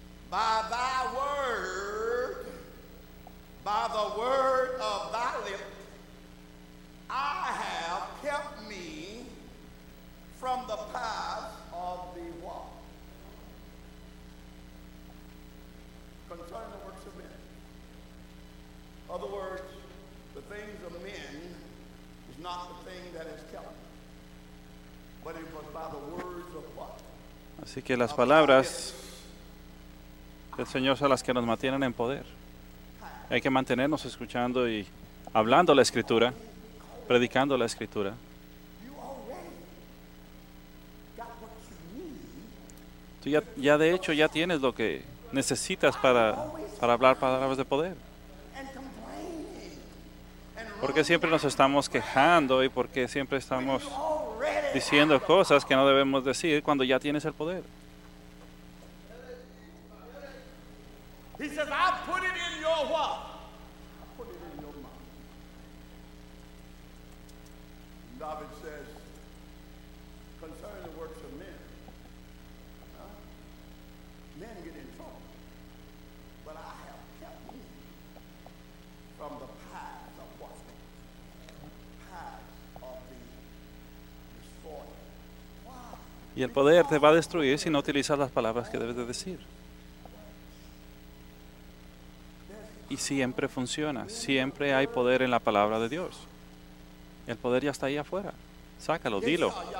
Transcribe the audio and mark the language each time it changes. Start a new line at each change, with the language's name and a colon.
English: By thy word, by the word of thy lips, I have kept me from the path of the walk. Concerning the works of men. Other words, the things of men is not the thing that has kept me. But it was by the words of what?
Spanish: Así que las palabras del Señor son las que nos mantienen en poder. Hay que mantenernos escuchando y hablando la Escritura, predicando la Escritura. Tú ya de hecho ya tienes lo que necesitas para hablar palabras de poder. ¿Por qué siempre nos estamos quejando y por qué siempre estamos diciendo cosas que no debemos decir cuando ya tienes el poder?
English: He says, I put it in your what? I put it in your mouth. And David says, concerning the works of men, men get in trouble. But I have kept me from the paths of what? The paths of the destroyed. Why?
Spanish: Y el poder te va a destruir si no utilizas las palabras que debes de decir. Y siempre funciona, siempre hay poder en la palabra de Dios. El poder ya está ahí afuera. Sácalo, dilo.